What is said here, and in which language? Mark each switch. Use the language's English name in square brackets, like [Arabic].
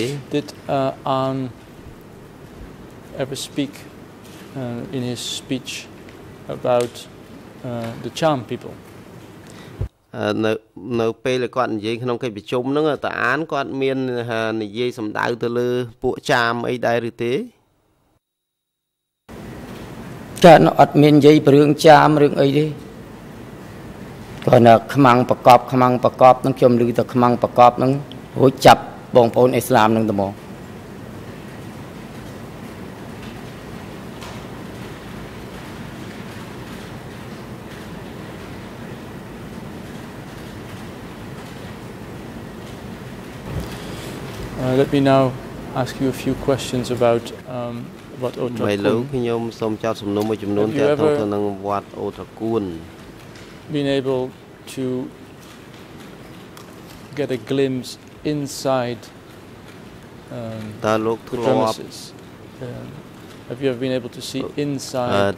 [English] Did An ever speak in his speech about the Cham people? [Khmer] នៅពេលគាត់និយាយក្នុងកិច្ចប្រជុំហ្នឹងតាអានគាត់មាននិយាយសម្ដៅទៅលើពួកចាមអីដែរឬទេ?ចាអត់មាននិយាយប្រឿងចាមរឿងអីទេ? ខ្មាំងប្រកបនឹងខ្ញុំឮតែខ្មាំងប្រកបនឹងរួចចាប់បងប្អូនអ៊ីស្លាមនឹងដំបង [English] Let me now ask you a few questions about what [Khmer] Otrakun ខ្ញុំ សូម ចោត សំណួរ មួយ ចំនួន ទាក់ទង នឹង វត្ត អូត្រាគួន [English] been able to get a glimpse inside the premises. Have you ever been able to see inside